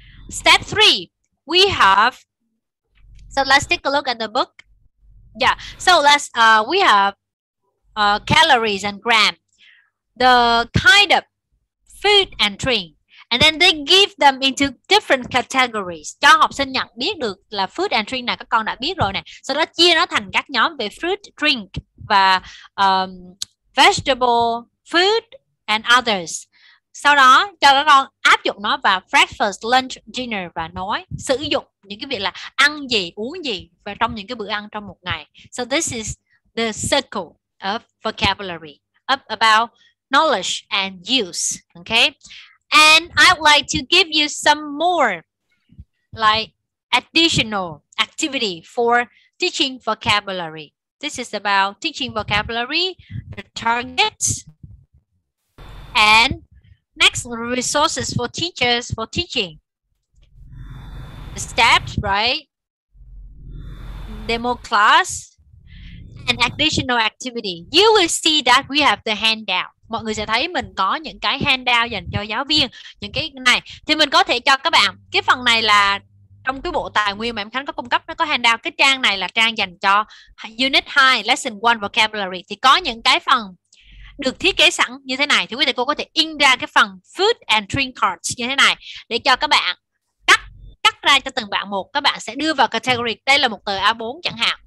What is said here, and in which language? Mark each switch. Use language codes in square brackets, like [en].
[en] Step 3, we have, so let's take a look at the book. Yeah, so we have calories and gram, the kind of food and drink. And then they give them into different categories. [vi] Cho học sinh nhận biết được là food and drink này các con đã biết rồi nè. Sau đó chia nó thành các nhóm về fruit, drink và vegetable, food and others. Sau đó cho các con áp dụng nó vào breakfast, lunch, dinner và nói sử dụng những cái việc là ăn gì, uống gì và trong những cái bữa ăn trong một ngày. [en] So this is the circle of vocabulary of about knowledge and use. Okay. And I'd like to give you some more like additional activity for teaching vocabulary. This is about teaching vocabulary, the targets, and next resources for teachers for teaching. The steps, right? Demo class and additional activity. You will see that we have the handout. [vi] Mọi người sẽ thấy mình có những cái handout dành cho giáo viên, những cái này thì mình có thể cho các bạn. Cái phần này là trong cái bộ tài nguyên mà em Khánh có cung cấp, nó có handout. Cái trang này là trang dành cho Unit 2 Lesson 1 Vocabulary, thì có những cái phần được thiết kế sẵn như thế này. Thì quý thầy cô có thể in ra cái phần food and drink cards như thế này để cho các bạn cắt ra cho từng bạn một. Các bạn sẽ đưa vào category, đây là một tờ A4 chẳng hạn.